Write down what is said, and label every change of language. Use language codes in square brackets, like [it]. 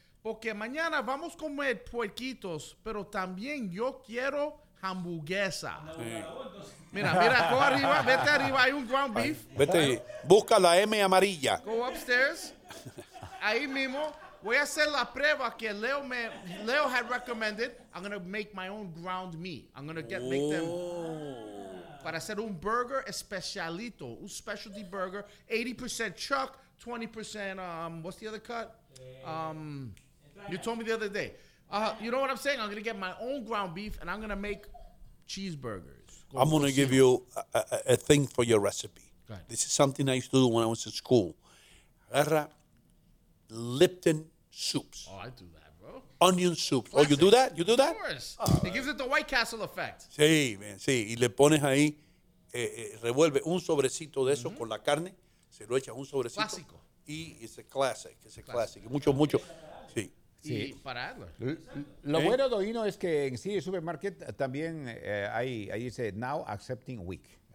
[es] Porque mañana vamos a comer puerquitos, pero también yo quiero hamburguesa. Mira, [en] go [es] arriba, vete arriba, hay un ground beef. Vete, busca la M amarilla. [en] Go upstairs. [es] Ahí mismo, voy a hacer la prueba que Leo [en] had recommended. I'm going to make my own ground meat. I'm going to make them [es] para hacer un burger especialito, [en] un specialty burger, 80% chuck, 20% what's the other cut? You told me the other day. You know what I'm saying? I'm going to get my own ground beef and I'm going to make cheeseburgers. I'm going to give you a thing for your recipe. This is something I used to do when I was in school. [es] Agarra Lipton soups. [en] Oh, I do that, bro. Onion soups. Oh, you do that? You do that? Of course. Oh, it gives it the White Castle effect. [es] Sí, man, sí. Y le pones ahí, revuelve un sobrecito de eso con la carne. Se lo echa un sobrecito. Clásico. [en] Y it's a classic. It's a classic. [es] Mucho. Sí. Sí. Y para Adler. Lo bueno, Doino, es que en City Supermarket también hay dice [en] Now Accepting Week.